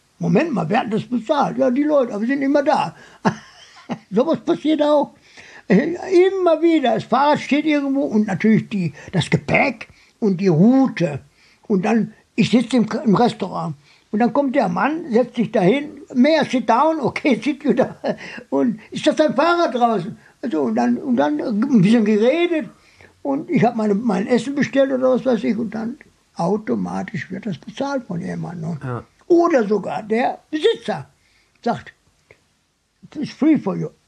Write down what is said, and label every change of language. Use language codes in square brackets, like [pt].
[de] Moment mal, wer hat das bezahlt? Ja, die Leute, aber sind immer da. Sowas passiert auch. Immer wieder, das Fahrrad steht irgendwo und natürlich das Gepäck und die Route. Und dann, ich sitze im Restaurant. Und dann kommt der Mann, setzt sich dahin. [en] Mehr sit down, okay, sit you down. [de] Und ist das dein Fahrrad draußen? Also, und dann ein bisschen geredet. Und ich habe mein Essen bestellt oder was weiß ich. Und dann automatisch wird das bezahlt von jemandem. Ja. Oder sogar der Besitzer sagt, [en] it's free for you.